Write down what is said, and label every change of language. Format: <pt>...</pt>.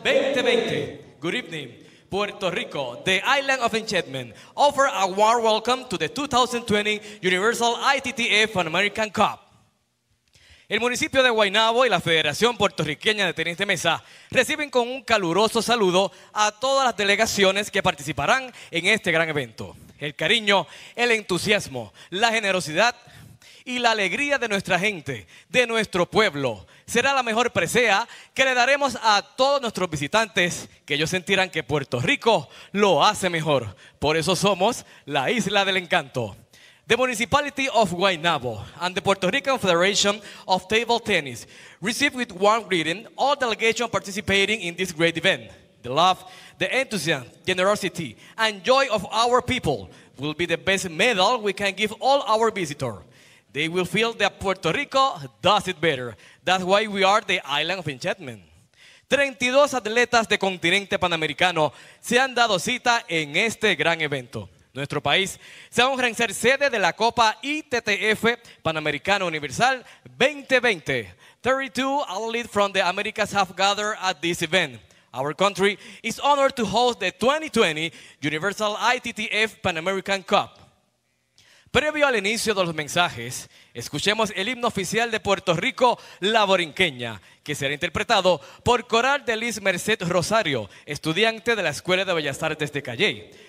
<en>The Island of Enchantment offer a warm welcome to the 2020 Universal ITTF Pan-American Cup.</en> <es>El municipio de Guaynabo y la Federación Puertorriqueña de Tenis de Mesa reciben con un caluroso saludo a todas las delegaciones que participarán en este gran evento. El cariño, el entusiasmo, la generosidad y la alegría de nuestra gente, de nuestro pueblo, será la mejor presea que le daremos a todos nuestros visitantes, que ellos sentirán que Puerto Rico lo hace mejor. Por eso somos la Isla del Encanto.</es> <en>The Municipality of Guaynabo and the Puerto Rican Federation of Table Tennis receive with warm greeting all delegations participating in this great event. The love, the enthusiasm, generosity, and joy of our people will be the best medal we can give all our visitors. They will feel that Puerto Rico does it better. That's why we are the Island of Enchantment.</en> <es>32 atletas de continente panamericano se han dado cita en este gran evento. Nuestro país se honra en ser sede de la Copa ITTF Panamericano Universal 2020.</es> <en>32 athletes from the Americas have gathered at this event. Our country is honored to host the 2020 Universal ITTF Panamerican Cup.</en> <es>Previo al inicio de los mensajes, escuchemos el himno oficial de Puerto Rico, La Borinqueña, que será interpretado por Coral de Liz Merced Rosario, estudiante de la Escuela de Bellas Artes de Calley.</es>